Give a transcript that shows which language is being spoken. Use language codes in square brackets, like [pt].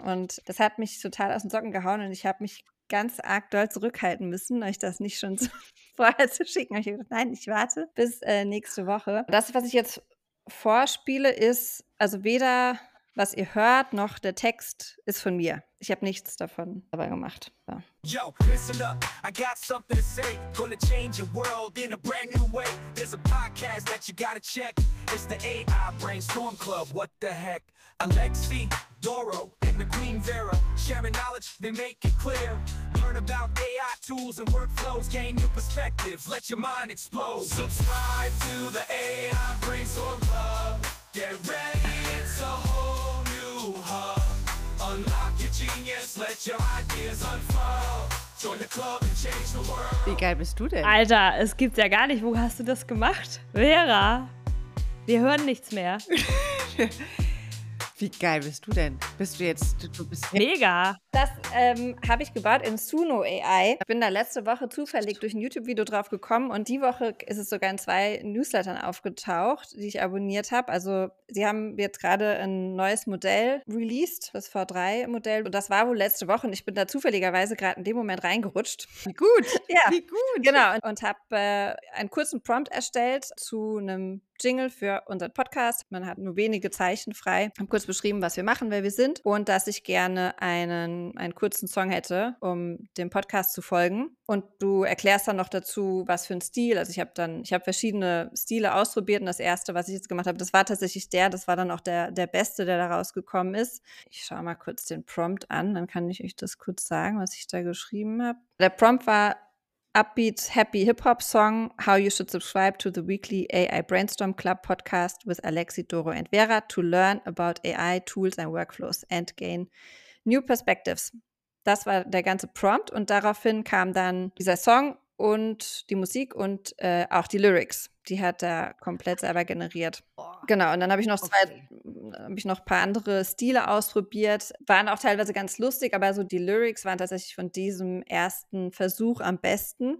[de] Und das hat mich total aus den Socken gehauen. Und ich habe mich ganz arg doll zurückhalten müssen, euch das nicht schon vorher zu schicken. Ich habe gesagt, nein, ich warte bis nächste Woche. Das, was ich jetzt vorspiele, ist, also weder was ihr hört, noch der Text ist von mir. Ich habe nichts davon dabei gemacht. So. [en] Yo, listen up, I got something to say. Gonna change your world in a brand new way. There's a podcast that you gotta check. It's the AI Brainstorm Club, what the heck. Alexi, Doro, and the Queen Vera. Sharing knowledge, they make it clear. Learn about AI tools and workflows. Gain new perspectives, let your mind explode. Subscribe to the AI Brainstorm Club. Get ready, it's a whole new hub. Unlock your genius, let your ideas unfurl. Join the club and change the world. [de] Wie geil bist du denn? Alter, es gibt's ja gar nicht. Wo hast du das gemacht? Vera, wir hören nichts mehr. Wie geil bist du denn? Bist du jetzt, du bist mega. Das habe ich gebaut in Suno AI. Ich bin da letzte Woche zufällig durch ein YouTube-Video drauf gekommen und die Woche ist es sogar in zwei Newslettern aufgetaucht, die ich abonniert habe. Also sie haben jetzt gerade ein neues Modell released, das V3-Modell. Und das war wohl letzte Woche und ich bin da zufälligerweise gerade in dem Moment reingerutscht. Wie gut, ja. Wie gut. Genau, und habe einen kurzen Prompt erstellt zu einem Jingle für unseren Podcast. Man hat nur wenige Zeichen frei. Ich habe kurz beschrieben, was wir machen, wer wir sind und dass ich gerne einen kurzen Song hätte, um dem Podcast zu folgen. Und du erklärst dann noch dazu, was für ein Stil. Also ich habe verschiedene Stile ausprobiert und das erste, was ich jetzt gemacht habe, das war tatsächlich der, das war dann auch der beste, der da rausgekommen ist. Ich schaue mal kurz den Prompt an, dann kann ich euch das kurz sagen, was ich da geschrieben habe. Der Prompt war [en] Upbeat, happy Hip-Hop Song, how you should subscribe to the weekly AI Brainstorm Club podcast with Alexi, Doro and Vera to learn about AI tools and workflows and gain new perspectives. [de] Das war der ganze Prompt und daraufhin kam dann dieser Song und die Musik und auch die Lyrics. Die hat er komplett selber generiert. Genau, und dann habe ich noch ein paar andere Stile ausprobiert. Waren auch teilweise ganz lustig, aber so die Lyrics waren tatsächlich von diesem ersten Versuch am besten.